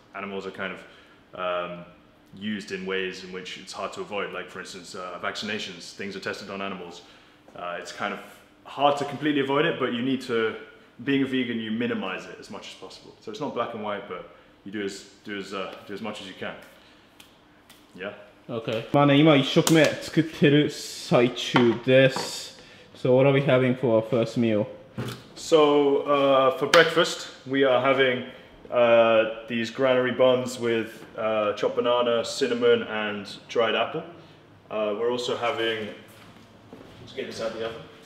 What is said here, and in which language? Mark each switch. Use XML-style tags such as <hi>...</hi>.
<en>Animals are kind of used in ways in which it's hard to avoid. Like for instance, vaccinations, things are tested on animals. It's kind of hard to completely avoid it, but you need to. Being a vegan, you minimize it as much as possible. So it's not black and white, but you do as much as you can. Yeah? Okay.</en> <ja>まあね、今一食目作ってる最中です。</ja> <en>So what are we having for our first meal? So for breakfast, we are having these granary buns with chopped banana, cinnamon, and dried apple. We're also having, let's get this out of the oven.</en>